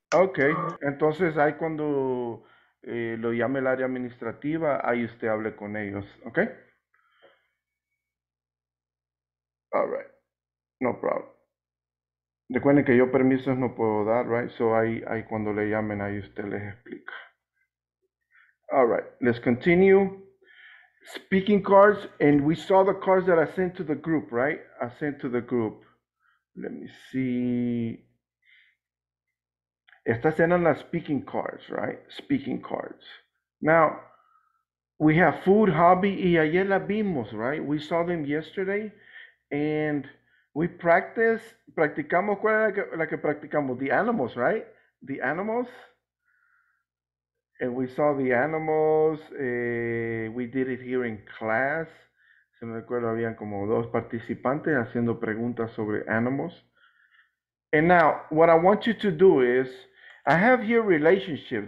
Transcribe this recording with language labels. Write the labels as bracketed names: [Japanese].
[Spanish] Okay, entonces ahí cuando lo llame el área administrativa, ahí usted hable con ellos, ¿ok? [English] All right, no problem. [Spanish] Recuerden que yo permisos no puedo dar, right? So ahí cuando le llamen, ahí usted les explica. [English] All right, let's continue. Speaking cards, and we saw the cards that I sent to the group, right? I sent to the group. Let me see. [Spanish] Estas eran las [English] speaking cards, right? Speaking cards. Now, we have food, hobby, [Spanish] y ayer la vimos, [English] right? We saw them yesterday, and we [Spanish] practicamos, ¿cuál era la que practicamos? [English] The animals, right? The animals. And we saw the animals. We did it here in class. [Spanish] Si me recuerdo, habían como dos participantes haciendo preguntas sobre animals. [English] And now, what I want you to do is, I have here relationships.